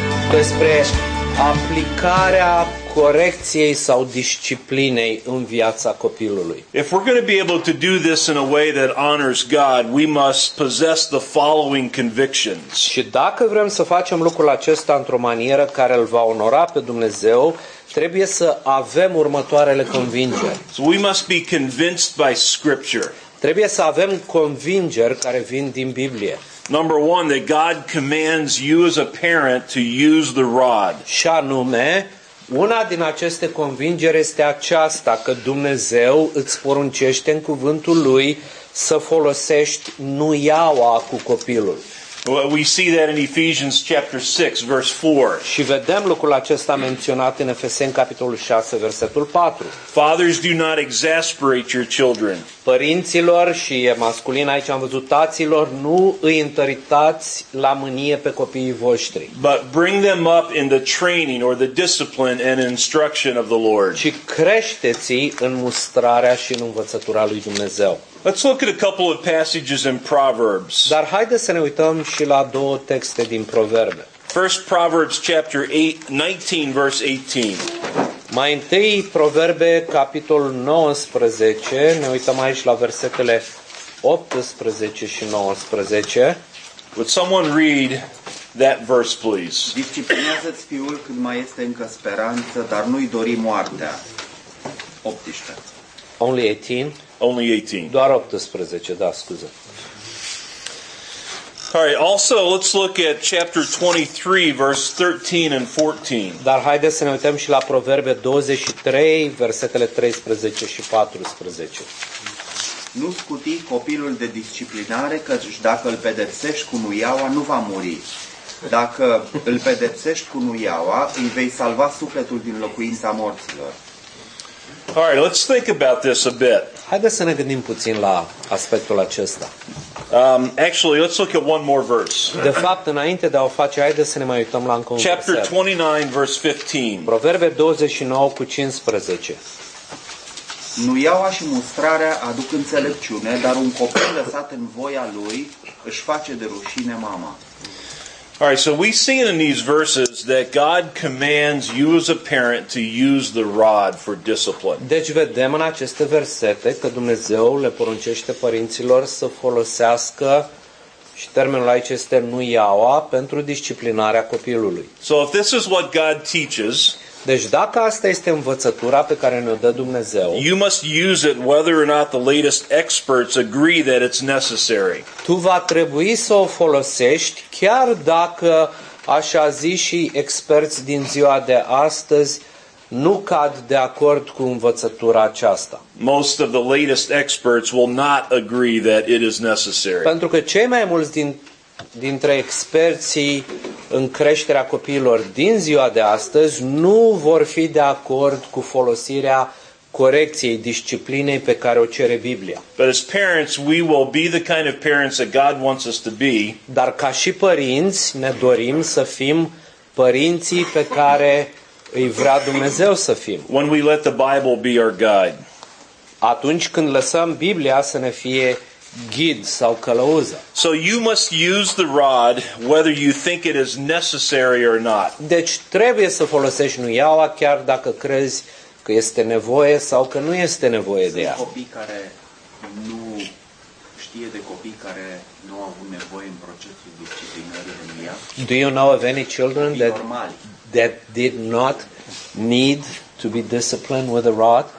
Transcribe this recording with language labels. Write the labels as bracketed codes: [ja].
[ro] despre aplicarea corecției sau disciplinei în viața copilului. [en] If we're going to be able to do this in a way that honors God, we must possess the following convictions. [ro] Și dacă vrem să facem lucrul acesta într-o manieră care îl va onora pe Dumnezeu, trebuie să avem următoarele convingeri. [en] So we must be convinced by scripture. [ro] Trebuie să avem convingeri care vin din Biblie. [en] Number one, that God commands you as a parent to use the rod. [ro] Și anume, una din aceste convingeri este aceasta, că Dumnezeu îți poruncește în cuvântul Lui să folosești nuiaua cu copilul. [en] Well, we see that in Ephesians chapter 6, verse 4. [ro] Și vedem lucrul acesta menționat în Efeseni, capitolul 6, versetul 4. [en] Fathers, do not exasperate your children. [ro] Părinților, și e masculin aici, am văzut, taților, nu îi întăritați la mânie pe copiii voștri. [en] But bring them up in the training or the discipline and instruction of the Lord. [ro] Și creșteți-i în mustrarea și în învățătura lui Dumnezeu. [en] Let's look at a couple of passages in Proverbs. [ro] Dar haideți să ne uităm și la două texte din Proverbe. [en] First Proverbs chapter 19 verse 18. [ro] Mai întâi Proverbe capitolul 19, ne uităm aici la versetele 18 și 19. [en] Would someone read that verse please? [ro] Disciplinează-ți fiul când mai este încă speranță, dar nu-i dori moartea. [en] 18. Only 18. Only 18. [ro] Doar 18, da, scuze. [en] All right, also let's look at chapter 23 verse 13 and 14. [ro] Dar haideți să ne uităm și la Proverbe 23, versetele 13 și 14. Nu scuti copilul de disciplinare, căci dacă îl pedepsești cu nuiaua, nu va muri. Dacă îl pedepsești cu nuiaua, îi vei salva sufletul din locuința morților. [en] All right, let's think about this a bit. [ro] Haideți să ne gândim puțin la aspectul acesta. [en] Actually, let's look at one more verse. [ro] De fapt, înainte de a o face, haideți să ne mai uităm la încă un verset. [en] Chapter 29 verse 15. [ro] Proverbe 29 cu 15. Nuiaua și mustrarea aduc înțelepciune, dar un copil lăsat în voia lui își face de rușine mama. [en] All right, so we see in these verses that God commands you as a parent to use the rod for discipline. [ro] Deci vedem în aceste versete că Dumnezeu le poruncește părinților să folosească, și termenul aici este nuiaua, pentru disciplinarea copilului. [en] So if this is what God teaches, [ro] deci dacă asta este învățătura pe care ne-o dă Dumnezeu, [en] you must use it whether or not the latest experts agree that it's necessary. [ro] Tu va trebui să o folosești chiar dacă, așa zis, și experți din ziua de astăzi nu cad de acord cu învățătura aceasta. [en] Most of the latest experts will not agree that it is necessary. [ro] Pentru că cei mai mulți dintre experții în creșterea copiilor din ziua de astăzi nu vor fi de acord cu folosirea corecției, disciplinei pe care o cere Biblia. [en] But as parents, we will be the kind of parents that God wants us to be. [ro] Dar ca și părinți, ne dorim să fim părinții pe care îi vrea Dumnezeu să fim. [en] When we let the Bible be our guide. [ro] Atunci când lăsăm Biblia să ne fie ghid sau călăuză. [en] So you must use the rod whether you think it is necessary or not. [ro] Deci trebuie să folosești nuiaua chiar dacă crezi că este nevoie sau că nu este nevoie sunt de ea. Sunt copii care nu știe de copii care nu au avut nevoie în procesul disciplinării de nuia. [en] Do you know of any children [ro] copii normali [en] that did not need to be disciplined with a rod?